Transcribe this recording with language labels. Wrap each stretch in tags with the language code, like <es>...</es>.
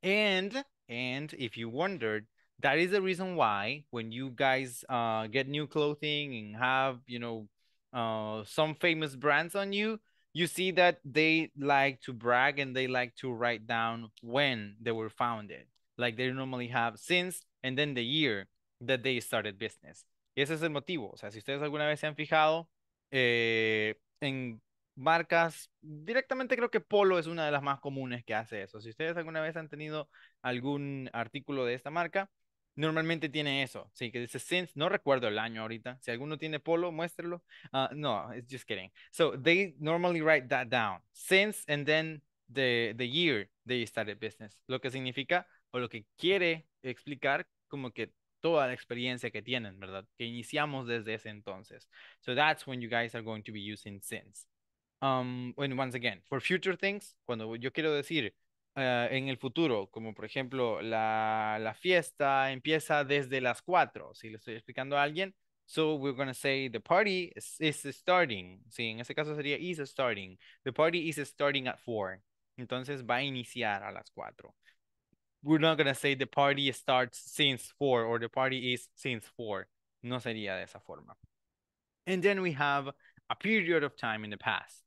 <en>And if you wondered, that is the reason why when you guys get new clothing and have, you know, some famous brands on you, you see that they like to brag and they like to write down when they were founded. Like they normally have since and then the year that they started business.</en> <es>Y ese es el motivo. O sea, si ustedes alguna vez se han fijado en marcas, directamente creo que Polo es una de las más comunes que hace eso. Si ustedes alguna vez han tenido algún artículo de esta marca, normalmente tiene eso, sí, que dice since, no recuerdo el año ahorita. Si alguno tiene Polo, muéstrelo.</es> <en>No, it's just kidding. So they normally write that down, since and then the year they started business.</en> <es>Lo que significa, o lo que quiere explicar, como que toda la experiencia que tienen, ¿verdad? Que iniciamos desde ese entonces.</es> <en>So that's when you guys are going to be using since. When once again, for future things,</en> <es>cuando yo quiero decir, En el futuro, como por ejemplo, la fiesta empieza desde las 4, si le estoy explicando a alguien.</es> <en>So we're going to say the party is starting.</en> <es>Sí, en ese caso sería</es> <en>is starting. The party is starting at 4.</en> <es>Entonces va a iniciar a las 4.</es> <en>We're not going to say the party starts since 4 or the party is since 4.</en> <es>No sería de esa forma.</es> <en>And then we have a period of time in the past.</en>